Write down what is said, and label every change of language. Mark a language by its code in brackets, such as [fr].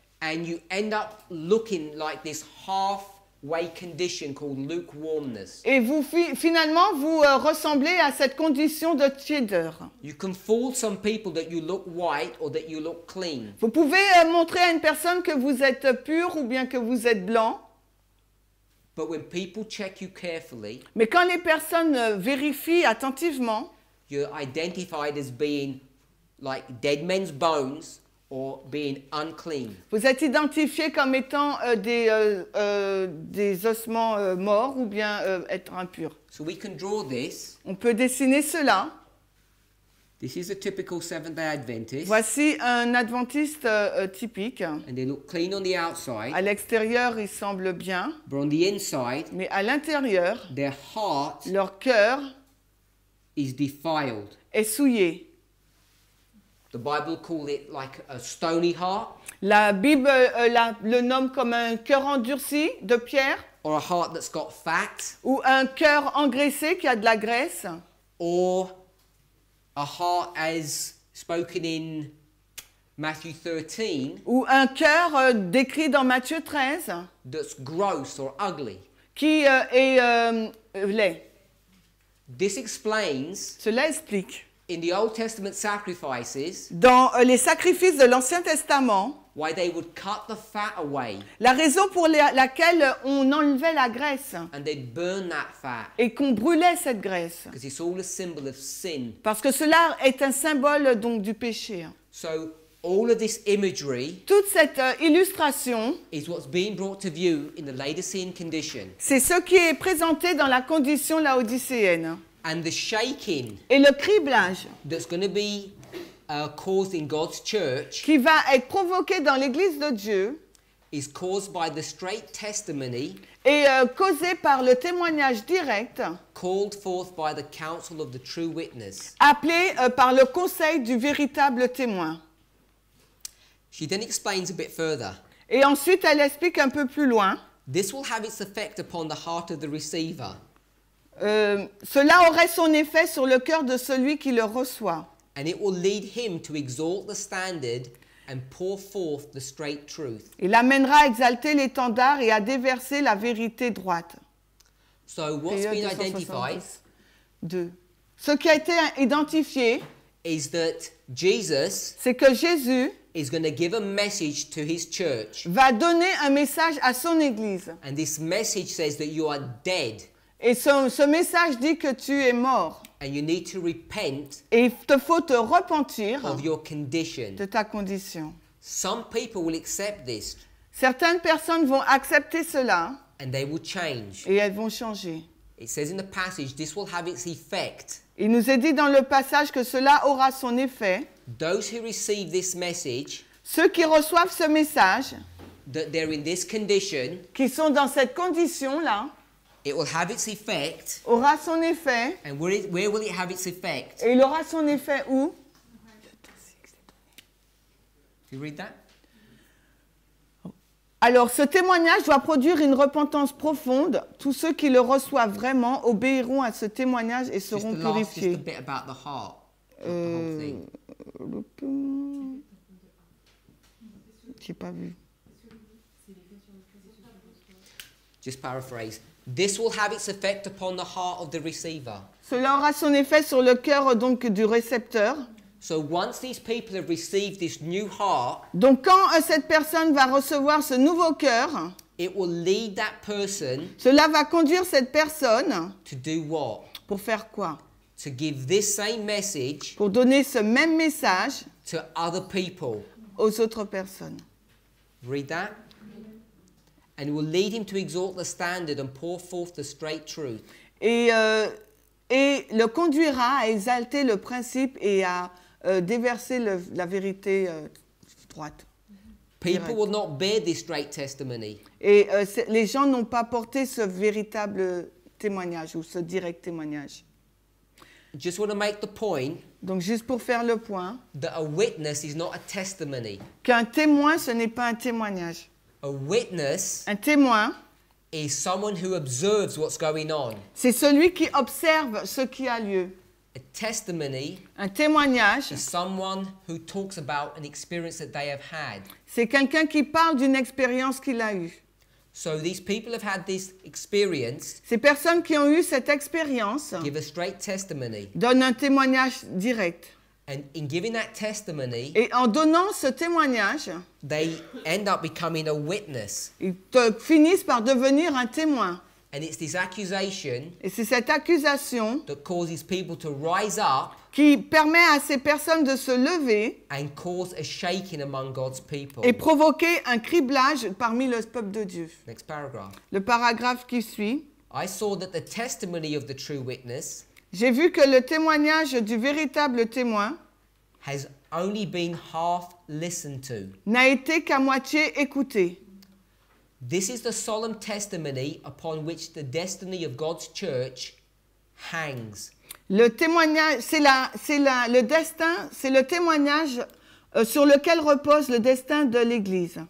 [en] And you end up looking like this halfway condition called lukewarmness. [fr] Et vous finalement vous ressemblez à cette condition de tiédeur. [en] You can fool some people that you look white or that you look clean. [fr] Vous pouvez montrer à une personne que vous êtes pur ou bien que vous êtes blanc. [en] But when people check you carefully, [fr] mais quand les personnes vérifient attentivement, [en] you're identified as being like dead men's bones. Or being unclean. [fr] Vous êtes identifié comme étant des ossements morts ou bien être impur. [en] So we can draw this. [fr] On peut dessiner cela. [en] This is a typical Seventh-day Adventist. [fr] Voici un adventiste typique. [en] And they look clean on the outside. [fr] À l'extérieur, ils semblent bien. [en] But on the inside, [fr] mais à l'intérieur, [en] their heart, [fr] leur cœur, [en] is defiled. [fr] Est souillé. [en] The Bible calls it like a stony heart. [fr] La Bible le nomme comme un cœur endurci de pierre. [en] Or a heart that's got fat. [fr] Ou un cœur engraissé qui a de la graisse. [en] Or a heart as spoken in Matthew 13. [fr] Ou un cœur décrit dans Matthieu 13. [en] That's gross or ugly. [fr] Qui est laid. [en] This explains. [fr] Cela explique. [en] In the Old Testament sacrifices, [fr] dans les sacrifices de l'Ancien Testament, [en] why they would cut the fat away, [fr] la raison pour laquelle on enlevait la graisse, [en] and they'd burn that fat, [fr] et qu'on brûlait cette graisse, [en] because it's all a symbol of sin, [fr] parce que cela est un symbole donc du péché. [en] So all of this imagery, [fr] toute cette illustration, [en] is what's being brought to view in the Laodicean condition. [fr] C'est ce qui est présenté dans la condition laodicéenne. [en] And the shaking, [fr] et le criblage, [en] that's going to be caused in God's church, [fr] qui va être provoqué dans l'église de Dieu, [en] is caused by the straight testimony, [fr] et causé par le témoignage direct, [en] called forth by the counsel of the true witness, [fr] appelé par le conseil du véritable témoin. [en] She then explains a bit further, [fr] et ensuite elle explique un peu plus loin. [en] This will have its effect upon the heart of the receiver. [fr] Cela aurait son effet sur le cœur de celui qui le reçoit. [en] And it will lead him to exalt the standard and pour forth the straight truth. [fr] Il l'amènera à exalter l'étendard et à déverser la vérité droite. [en] So what's been identified? [fr] Deux. Ce qui a été identifié [en] is that Jesus, [fr] c'est que Jésus, [en] is going to give a message to his church. [fr] Va donner un message à son église. [en] And this message says that you are dead. [fr] Et ce message dit que tu es mort. [en] And you need to repent. [fr] Et il te faut te repentir. [en] Of your condition. [fr] De ta condition. [en] Some people will accept this. [fr] Certaines personnes vont accepter cela. [en] And they will change. [fr] Et elles vont changer. [en] It says in the passage, this will have its effect. [fr] Il nous est dit dans le passage que cela aura son effet. [en] Those who receive this message, [fr] ceux qui reçoivent ce message, [en] that they're in this condition, [fr] qui sont dans cette condition-là, [en] it will have its effect, [fr] aura son effet. [en] And where will it have its effect? [fr] Et il aura son effet où? [en] You read that? [fr] Alors, ce témoignage doit produire une repentance profonde. Tous ceux qui le reçoivent vraiment obéiront à ce témoignage et seront purifiés. [en] Just a bit about the heart, the whole thing. [fr] J'ai pas vu. [en] Just paraphrase. This will have its effect upon the heart of the receiver. [fr] Cela aura son effet sur le cœur donc du récepteur. [en] So once these people have received this new heart, [fr] donc quand cette personne va recevoir ce nouveau cœur, [en] it will lead that person, [fr] cela va conduire cette personne, [en] to do what? [fr] Pour faire quoi? [en] To give this same message, [fr] pour donner ce même message, [en] to other people, [fr] aux autres personnes. [en] Read that. And it will lead him to exalt the standard and pour forth the straight truth. [fr] Et le conduira à exalter le principe et à déverser la vérité droite. [en] People will not bear this great testimony. [fr] Et les gens n'ont pas porté ce véritable témoignage ou ce direct témoignage. [en] Just want to make the point. [fr] Donc juste pour faire le point. [en] That a witness is not a testimony. [fr] Qu'un témoin, ce n'est pas un témoignage. [en] A witness, [fr] un témoin, [en] is someone who observes what's going on. [fr] C'est celui qui observe ce qui a lieu. [en] A testimony, [fr] un témoignage, [en] is someone who talks about an experience that they have had. [fr] C'est quelqu'un qui parle d'une expérience qu'il a eue. [en] So these people have had this experience. [fr] Ces personnes qui ont eu cette expérience, [en] give a straight testimony, [fr] donnent un témoignage direct. [en] And in giving that testimony, [fr] et en donnant ce témoignage, [en] they end up becoming a witness. [fr] Ils finissent par devenir un témoin. [en] And it's this accusation, [fr] et c'est cette accusation, [en] that causes people to rise up, [fr] qui permet à ces personnes de se lever, [en] and cause a shaking among God's people, [fr] et provoquer un criblage parmi le peuple de Dieu. [en] Next paragraph. [fr] Le paragraphe qui suit. [en] I saw that the testimony of the true witness, [fr] j'ai vu que le témoignage du véritable témoin [en] has only been half listened to, [fr] n'a été qu'à moitié écouté. [en] This is the solemn testimony upon which the destiny of God's church hangs. [fr] Le témoignage, le destin, c'est le témoignage sur lequel repose le destin de l'Église.